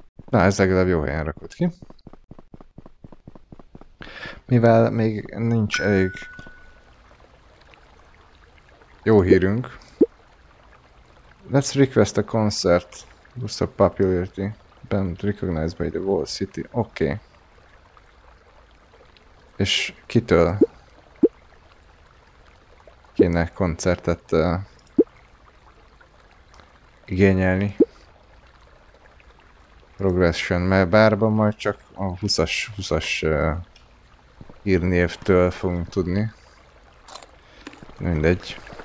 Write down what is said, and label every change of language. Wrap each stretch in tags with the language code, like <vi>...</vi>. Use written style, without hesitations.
<hu>Na, ez legalább jó helyen rakott ki. Mivel még nincs elég jó hírünk.</hu> <en>Let's request a concert. Busz a popularity. Band recognized by the whole city.</en> <hu>Oké. Okay. És kitől kéne koncertet igényelni? Progression, mert bárban majd csak a 20-as hírnévtől fogunk tudni. Mindegy.</hu>